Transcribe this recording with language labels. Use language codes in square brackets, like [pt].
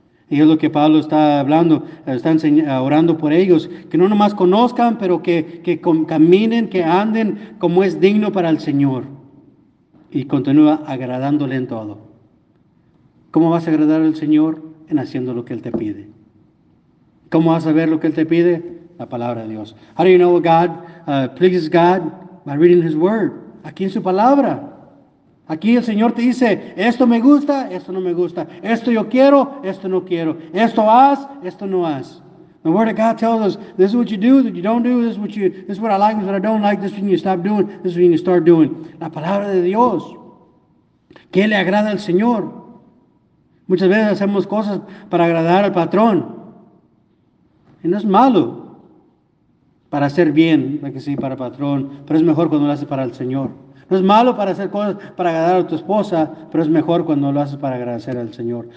[es] Y es lo que Pablo está hablando, está orando por ellos, que no nomás conozcan, pero que caminen, que anden como es digno para el Señor. Y continúa agradándole en todo. ¿Cómo vas a agradar al Señor? En haciendo lo que Él te pide. ¿Cómo vas a ver lo que Él te pide? La palabra de Dios. [en] How do you know what God pleases God? By reading His Word. [es] Aquí en su palabra. Aquí el Señor te dice, esto me gusta, esto no me gusta. Esto yo quiero, esto no quiero. Esto haz, esto no haz. [en] The Word of God tells us, this is what you do, that you don't do. This is what I like, this is what I don't like. This is when you stop doing, this is when you start doing. [es] La palabra de Dios. ¿Qué le agrada al Señor? Muchas veces hacemos cosas para agradar al patrón. Y no es malo para hacer bien, que sí, para el patrón. Pero es mejor cuando lo haces para el Señor. No es malo para hacer cosas para agradar a tu esposa, pero es mejor cuando lo haces para agradecer al Señor.